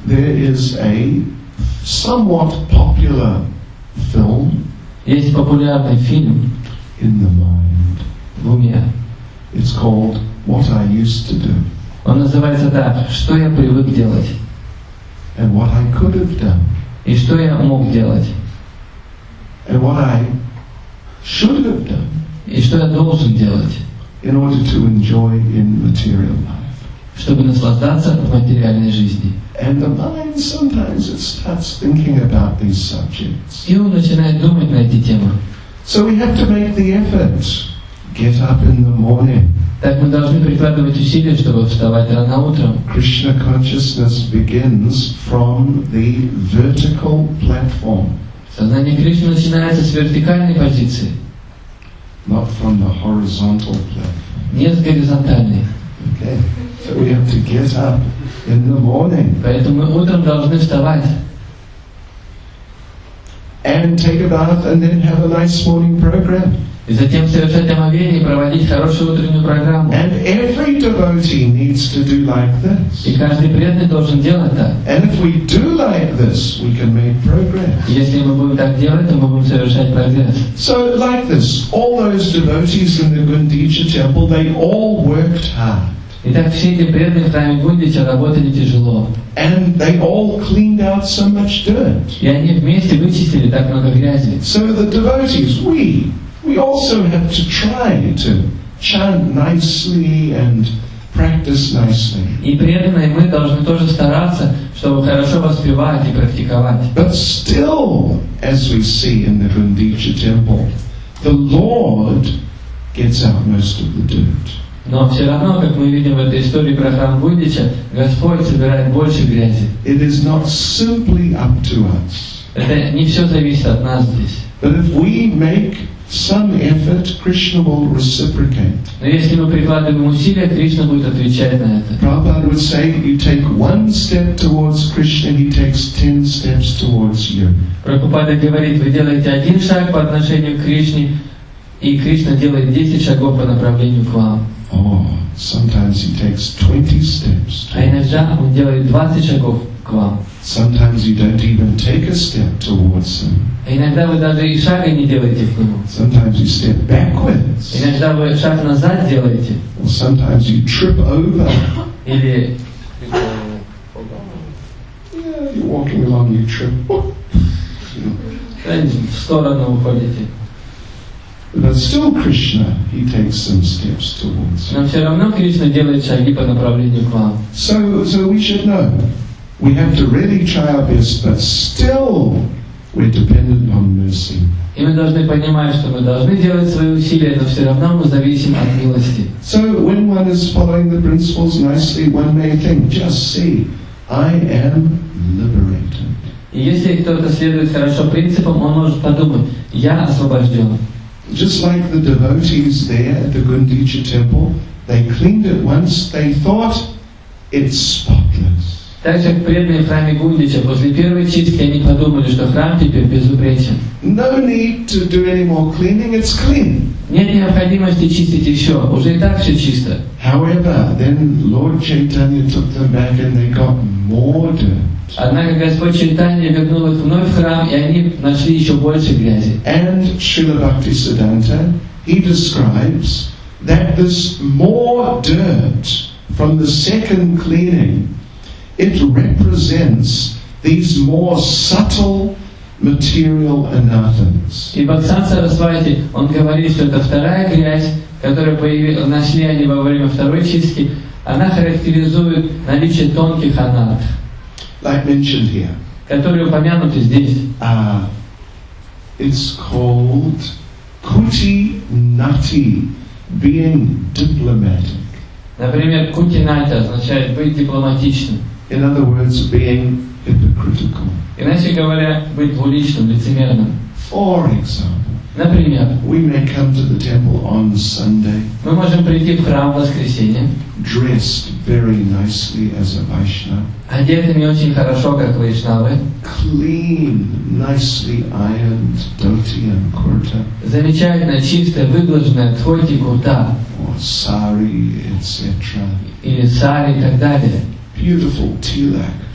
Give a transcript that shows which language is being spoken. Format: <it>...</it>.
<en>There is a somewhat popular film.</en> <ru>Есть популярный фильм.</ru> <en>In the mind.</en> <ru>В уме.</ru> <en>It's called What I Used to Do.</en> <ru>Он называется так: Что я привык делать?</ru> <en>And what I could have done.</en> <ru>И что я мог делать?</ru> <en>And what I should have done.</en> <ru>И что я должен делать?</ru> <en>In order to enjoy in material life.</en> <ru>Чтобы наслаждаться в материальной жизни.</ru> <en>And the mind sometimes it starts thinking about these subjects.</en> <ru>И он начинает думать на эти темы.</ru> <en>So we have to make the effort. Get up in the morning.</en> <ru>Так мы должны прикладывать усилия, чтобы вставать рано утром.</ru> <en>Krishna consciousness begins from the vertical platform.</en> <ru>Сознание Кришны начинается с вертикальной позиции.</ru> <en>Not from the horizontal platform.</en> <ru>Не с горизонтальной.</ru> <en>Okay. So we have to get up in the morning.</en> <ru>Поэтому мы утром должны вставать.</ru> <en>And take a bath and then have a nice morning program.</en> <ru>И затем совершать омовение и проводить хорошую утреннюю программу.</ru> <en>And every devotee needs to do like this.</en> <ru>И каждый преданный должен делать так.</ru> <en>And if we do like this, we can make progress.</en> <ru>Если мы будем так делать, то мы будем совершать прогресс.</ru> <en>So like this, all those devotees in the Gundicha temple, they all worked hard.</en> <ru>Итак, все эти преданные в храме Гундича работали тяжело.</ru> <en>And they all cleaned out so much dirt.</en> <ru>И они вместе вычистили так много грязи.</ru> <en>So the devotees, we also have to try to chant nicely and practice nicely.</en> <ru>И преданные мы должны тоже стараться, чтобы хорошо воспевать и практиковать.</ru> <en>But still, as we see in the Gundicha temple, the Lord gets out most of the dirt.</en> <ru>Но все равно, как мы видим в этой истории про храм Гудича, Господь собирает больше грязи.</ru> <en>It is not simply up to us.</en> <ru>Это не все зависит от нас здесь.</ru> <en>But if we make some effort, Krishna will reciprocate.</en> <ru>Но если мы прикладываем усилия, Кришна будет отвечать на это.</ru> <en>Prabhupada would say, you take one step towards Krishna, he takes 10 steps towards you.</en> <ru>Прабхупада говорит, вы делаете один шаг по отношению к Кришне, и Кришна делает 10 шагов по направлению к вам.</ru> <en>Oh, sometimes he takes 20 steps.</en> <ru>А иногда он делает 20 шагов к вам.</ru> <en>Sometimes you don't even take a step towards him.</en> <ru>Иногда вы даже и шага не делаете к нему.</ru> <en>Sometimes you step backwards.</en> <ru>Иногда вы шаг назад делаете.</ru> <en>Or sometimes you trip over.</en> <ru>Или</ru> <en>you're walking along, you trip.</en> <ru>В сторону уходите.</ru> <en>But still Krishna, he takes some steps towards him.</en> <ru>Но все равно Кришна делает шаги по направлению к вам.</ru> <en>So we should know. We have to really try our best, but still we're dependent on mercy.</en> <ru>И мы должны понимать, что мы должны делать свои усилия, но все равно мы зависим от милости.</ru> <en>So when one is following the principles nicely, one may think, just see, I am liberated.</en> <ru>И если кто-то следует хорошо принципам, он может подумать, я освобожден.</ru> <en>Just like the devotees there at the Gundicha temple, they cleaned it once, they thought it's spotless.</en> <ru>Так же, как преданные в храме Гундича, после первой чистки они подумали, что храм теперь безупречен.</ru> <en>No need to do any more cleaning, it's clean.</en> <ru>Нет необходимости чистить еще, уже и так все чисто.</ru> <en>However, then Lord Chaitanya took them back and they got more dirt.</en> <ru>Однако Господь Чайтанья вернул их вновь в храм, и они нашли еще больше грязи.</ru> <en>And Srila Bhakti Siddhanta, he describes that this more dirt from the second cleaning, it represents these more subtle material anathas.</en> <ru>И Бхактисиддханта Сарасвати, он говорит, что это вторая грязь, которую нашли они во время второй чистки, она характеризует наличие тонких анат.</ru> <en>Like mentioned here.</en> <ru>Которые упомянуты здесь.</ru> <en>It's called Kuti Nati, being diplomatic.</en> <ru>Например, Kuti Nati означает быть дипломатичным.</ru> <en>In other words, being hypocritical.</en> <ru>Иначе говоря, быть двуличным, лицемерным.</ru> <en>For example.</en> <ru>Например.</ru> <en>We may come to the temple on Sunday.</en> <ru>Мы можем прийти в храм в воскресенье.</ru> <en>Dressed very nicely as a Vaishnava.</en> <ru>Одетыми очень хорошо, как Вайшнавы.</ru> <en>Clean, nicely ironed, dhoti and kurta.</en> <ru>Замечательно чистое, выглаженное дхоти курта.</ru> <en>Or sari, etc.</en> <ru>Или сари и так далее.</ru> <en>Beautiful tilak.</en>